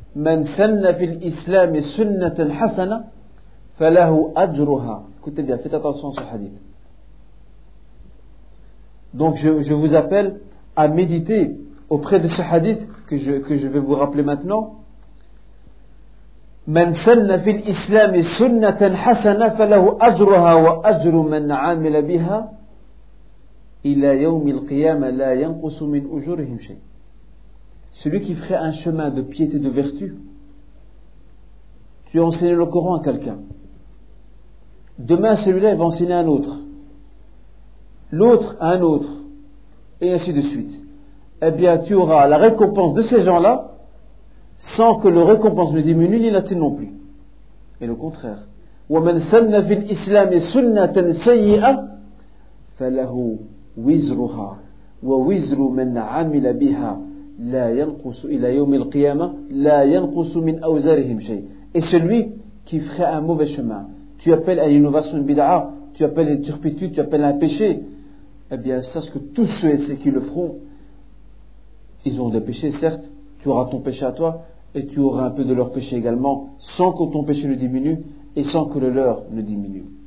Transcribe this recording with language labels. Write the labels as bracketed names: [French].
[Arabic] من سن في الإسلام سنة حسنة فله أجرها. [French] Écoutez bien, faites attention à ce hadith. Donc je vous appelle à méditer auprès de ce hadith que je vais vous rappeler maintenant. [Arabic] من سن في الإسلام سنة حسنة فله أجرها وأجر من عامل بها إلى يوم القيامة لا ينقص من أجورهم شيء. [French] Celui qui ferait un chemin de piété, de vertu, tu enseignes le Coran à quelqu'un. Demain, celui-là, il va enseigner à un autre. L'autre, à un autre. Et ainsi de suite. Eh bien, tu auras la récompense de ces gens-là, sans que le récompense ne diminue ni l'atteigne non plus. Et le contraire. [Arabic] وَمَنْ سَنَّ فِي الْإِسْلَامِ سُنَّةً سَيِّئَةً فَلَهُ وِزْرُهَا وَوِزْرُ مَنْ عَمِلَ بِهَا la yanqus ila yawm al-qiyamah la yanqus min awzarihim shay. [French] Et celui qui ferait un mauvais chemin, tu appelles à l'innovation une bid'a, tu appelles une turpitude, tu appelles un péché, eh bien sache que tous ceux et ceux qui le feront, ils ont des péchés certes, tu auras ton péché à toi et tu auras un peu de leur péché également, sans que ton péché ne diminue et sans que le leur ne diminue.